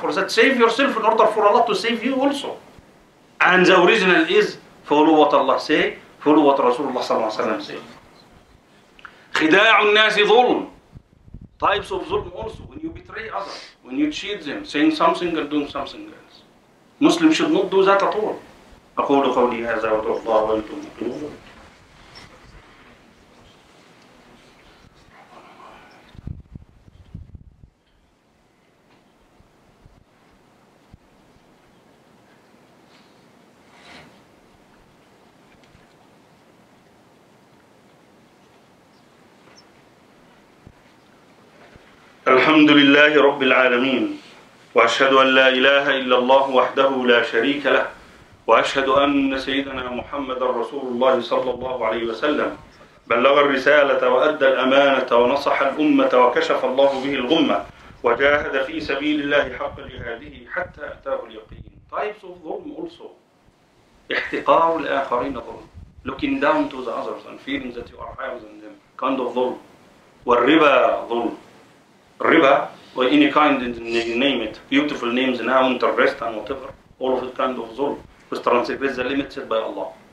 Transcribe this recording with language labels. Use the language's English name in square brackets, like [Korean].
[English] For that, save yourself in order for Allah to save you also. And the original is follow what Allah say, follow what Rasulullah [Arabic] sallallahu alayhi wa sallam [English] say. [Arabic] خداع الناس ظلم. [English] Types of ظلم also. When you betray others, when you cheat them, saying something and doing something else. Muslim should not do that at all. [Arabic] أقول قولي هذا ودعو الله وأنتم الحمد لله رب العالمين وأشهد أن لا إله إلا الله وحده لا شريك له وأشهد أن سيدنا محمد رسول الله صلى الله عليه وسلم بلغ الرسالة وأدى الأمانة ونصح الأمة وكشف الله به الغمة وجاهد في سبيل الله حق جهاده حتى أتاه اليقين. [English] Types of ظلم also. [Arabic] احتقار الآخرين ظلم. [English] Looking down to the others and feeling that you are higher than them. Kind of [Arabic] ظلم. والربا ظلم. [English] Riba, or any kind, name it, beautiful names now, interest and whatever, all of it kind of zulm, which transgresses the limit set by Allah.